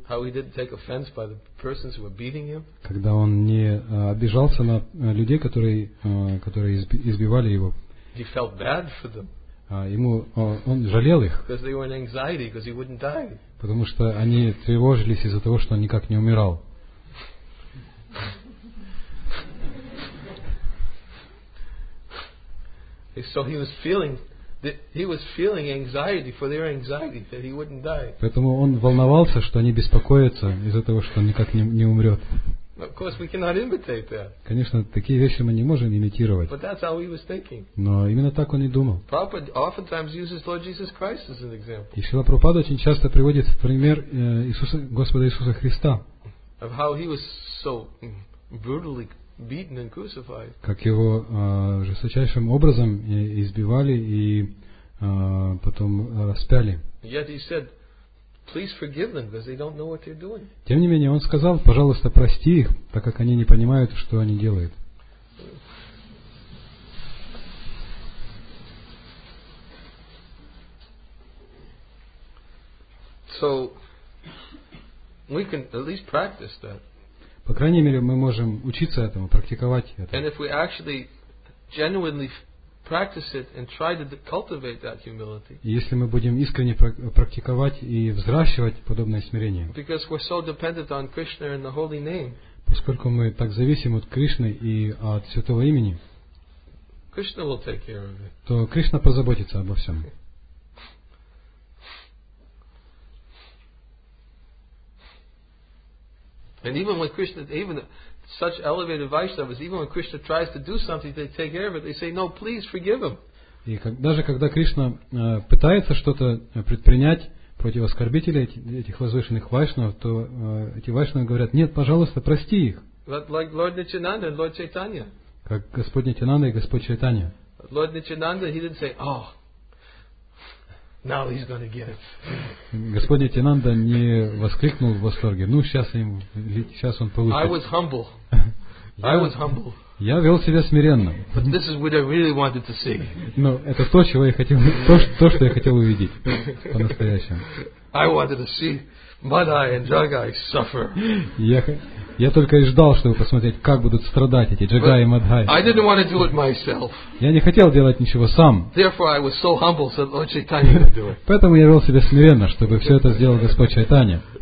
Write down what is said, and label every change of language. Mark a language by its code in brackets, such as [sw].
[en] How he didn't take offense by the persons who were beating him. [ru] Когда он не обижался на людей, которые избивали его. [en] He felt bad for them. [ru] Он жалел их. [en] Because they were in anxiety, because he wouldn't die. [ru] Потому что они тревожились из-за того, что он никак не умирал. [en] So he was feeling. He was feeling anxiety for their anxiety that he wouldn't die. [ru] Поэтому он волновался, что они беспокоятся из-за того, что он никак не умрет. [en] Of course, we cannot imitate that. [ru] Конечно, такие вещи мы не можем имитировать. [en] But that's how he was thinking. [ru] Но именно так он и думал. [en] Prabhupada oftentimes uses Lord Jesus Christ as an example. [ru] И Шрила Прабхупада очень часто приводит в пример Господа Иисуса Христа. [en] Of how he was so brutally beaten and crucified. [ru] Как его жесточайшим образом избивали и потом распяли. [en] Yet he said, please forgive them because they don't know what they're doing. [ru] Тем не менее, он сказал, пожалуйста, прости их, так как они не понимают, что они делают. [en] So we can at least practice that. [ru] По крайней мере, мы можем учиться этому, практиковать это. [en] And if we actually genuinely practice it and try to cultivate that humility. [ru] Если мы будем искренне практиковать и взращивать подобное смирение. [en] Because we're so dependent on Krishna and the holy name. [ru] Поскольку мы так зависим от Кришны и от святого имени. [en] Krishna will take care of it. [ru] То Кришна позаботится обо всем. [en] And even when Krishna, even such elevated Vaishnavas, even when Krishna tries to do something, they take care of it. They say, "No, please forgive him." [ru] И даже когда Кришна пытается что-то предпринять против оскорбителей этих возвышенных Вайшнав, то эти Вайшнавы говорят: "Нет, пожалуйста, прости их." [en] Like Lord Nityananda and Lord Chaitanya. [ru] Как Господь Нитянанда и Господь Чайтанья. [en] Lord Nityananda, he didn't say, "Oh, now he's going to get it." [ru] Господь Нитянанда не воскликнул в восторге. Ну, сейчас он получит. [en] I was humble. [ru] Я вел себя смиренно. [en] But this is what I really wanted to see. [ru] Ну, это то, чего я хотел, то, что я хотел увидеть по-настоящему. [en] I wanted to see Madhai and Jagai suffer. [ru] Я только и ждал, чтобы посмотреть, как будут страдать эти Джагай и Мадхай. [en] I didn't want to do it myself. [ru] Я не хотел делать ничего сам. [en] Therefore, I was so humble, so Lord Chaitanya could do it. [ru] Поэтому я вел себя смиренно, чтобы все это сделал Господь Чайтанья.